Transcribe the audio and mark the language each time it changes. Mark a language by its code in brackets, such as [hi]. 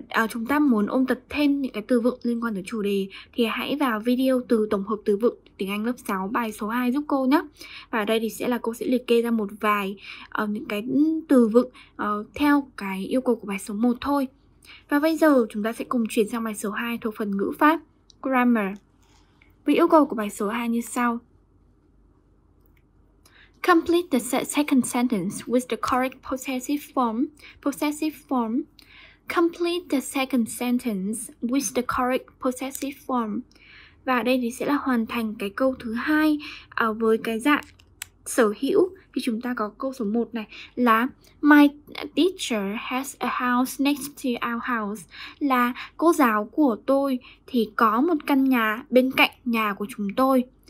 [vi] Chúng ta muốn ôn tập thêm những cái từ vựng liên quan tới chủ đề thì hãy vào video từ tổng hợp từ vựng tiếng Anh lớp 6 bài số 2 giúp cô nhé. Và ở đây thì sẽ là cô sẽ liệt kê ra một vài những cái từ vựng theo cái yêu cầu của bài số 1 thôi. Và bây giờ chúng ta sẽ cùng chuyển sang bài số 2 thuộc phần ngữ pháp, grammar. Với yêu cầu của bài số 2 như sau. [en] Complete the second sentence with the correct possessive form. Complete the second sentence with the correct possessive form. [vi] Và đây thì sẽ là hoàn thành cái câu thứ hai với cái dạng sở hữu. Thì chúng ta có câu số 1 này là [en] My teacher has a house next to our house. [vi] Là cô giáo của tôi thì có một căn nhà bên cạnh nhà của chúng tôi.